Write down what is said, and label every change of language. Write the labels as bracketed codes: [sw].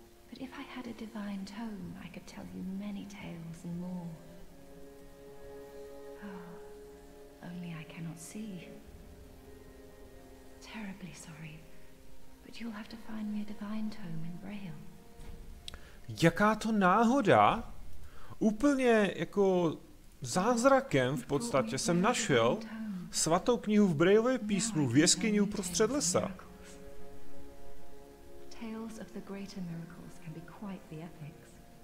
[en] But if I had a divine tome, I could tell you many tales and more. Oh. Only I cannot see. Terribly sorry, but you'll have to find me a divine tome in Braille. [cs] Jaká to náhoda? Úplně jako zázrakem v podstatě jsem našel svatou knihu v Braillově písmu v jeskyni uprostřed lesa. [en] Tales of the greater miracles can be quite the epics.